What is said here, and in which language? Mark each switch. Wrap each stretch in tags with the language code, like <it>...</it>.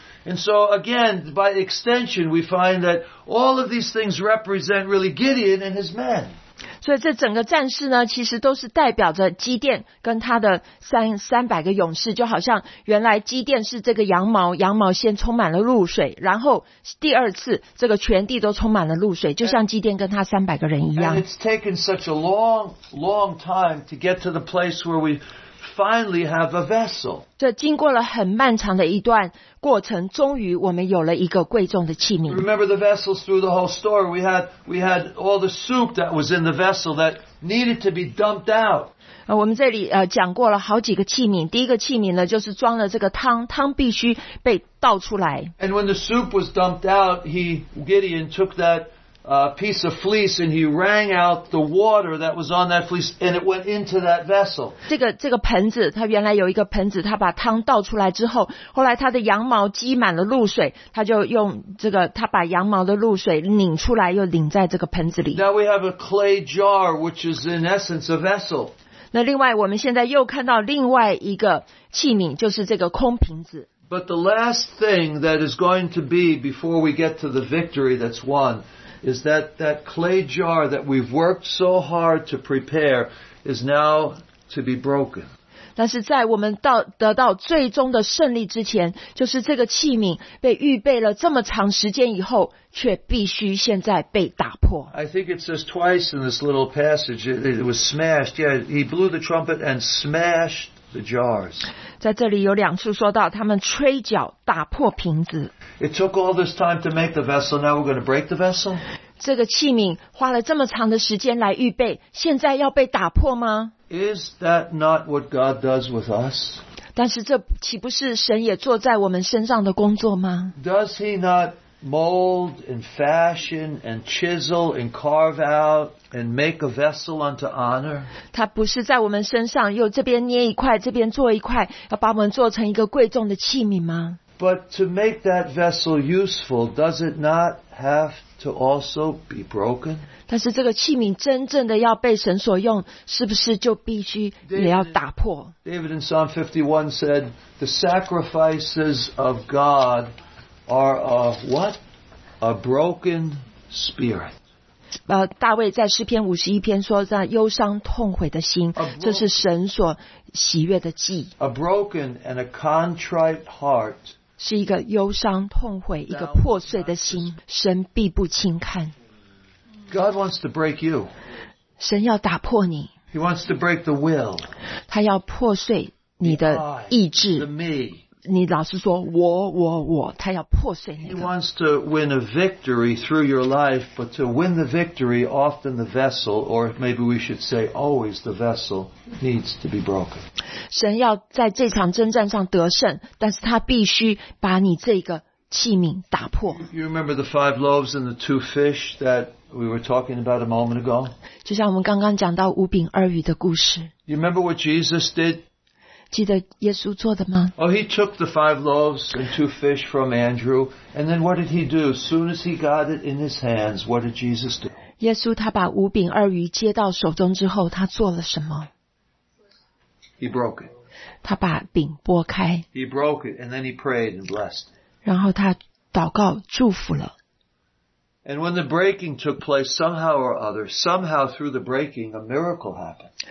<en>And so again, by extension, we find that all of these things represent really Gideon and his men.</en> <zh>所以这整个战士呢，其实都是代表着基甸跟他的三百个勇士，就好像原来基甸是这个羊毛先充满了露水，然后第二次这个全地都充满了露水，就像基甸跟他三百个人一样。</zh> <en>And it's taken such a long, long time to get to the place where we finally have a vessel.</en> <zh>这经过了很漫长的一段过程，终于我们有了一个贵重的器皿。</zh> <en>Remember the vessels through the whole story. We had all the soup that was in the vessel that needed to be dumped out.</en> <zh>我们这里讲过了好几个器皿。第一个器皿呢，就是装了这个汤，汤必须被倒出来。</zh> <en>And when the soup was dumped out, Gideon took that piece of fleece and he wrang out the water that was on that fleece and it went into that vessel.</en> <zh>这个盆子，它原来有一个盆子，它把汤倒出来之后，后来它的羊毛积满了露水，它就用这个，它把羊毛的露水拧出来，又拧在这个盆子里。</zh> <en>Now we have a clay jar, which is in essence a vessel.</en> <zh>那另外，我们现在又看到另外一个器皿，就是这个空瓶子。</zh> <en>But the last thing that is going to be before we get to the victory that's won is that that clay jar that we've worked so hard to prepare is now to be broken.</en> <zh>但是在我们到得到最终的胜利之前，就是这个器皿被预备了这么长时间以后，却必须现在被打破。</zh> <en>I think it says twice in this little passage it was smashed. Yeah, he blew the trumpet and smashed.</en> <zh>在这里有两处说到他们吹角打破瓶子。</zh> <en>It took all this time to make the vessel. Now we're going to break the vessel.</en> <zh>这个器皿花了这么长的时间来预备，现在要被打破吗？</zh> <en>Is that not what God does with us?</en> <zh>但是这岂不是神也做在我们身上的工作吗？</zh> <en>Does he not mold and fashion and chisel and carve out? And make a vessel unto honor.</en> <zh>他不是在我们身上又这边捏一块，这边做一块，要把我们做成一个贵重的器皿吗？</zh> <en>But to make that vessel useful, does it not have to also be broken?</en> <zh>但是这个器皿真正的要被神所用，是不是就必须也要打破？</zh> <en>David in Psalm 51 said, "The sacrifices of God are of what? A broken spirit."</en> <zh>大卫在诗篇51篇说这样忧伤痛悔的心，这是神所喜悦的祭。</zh> <en>A broken and a contrite heart</en> <zh>是一个忧伤痛悔一个破碎的心，神必不轻看。</zh> <en>God wants to break you.</en> <zh>神要打破你。</zh> <en>He wants to break the will.</en> <zh>他要破碎你的意志。</zh> <en>The me.</en> <zh>你老是说我，他要破碎你。</zh> <en>He wants to win a victory through your life, but to win the victory, often the vessel, or maybe we should say always the vessel, needs to be broken.</en> <zh>神要在这场征战上得胜，但是他必须把你这个器皿打破。</zh> <en>You remember the five loaves and the two fish that we were talking about a moment ago?</en> <zh>就像我们刚刚讲到五饼二鱼的故事。</zh> <en>You remember what Jesus did?</en> <zh>记得耶稣做的吗？</zh> <en>Oh, he took the five loaves and two fish from Andrew, and then what did he do? As soon as he got it in his hands, what did Jesus do?</en> <zh>耶稣他把五饼二鱼接到手中之后，他做了什么？</zh> <en>He broke it.</en> <zh>他把饼拨开。</zh> <en>He broke it, and then he prayed and blessed.</en> <zh>然后他祷告祝福了。</zh> <en>And when the breaking took place, somehow or other, somehow through the breaking, a miracle happened.</en>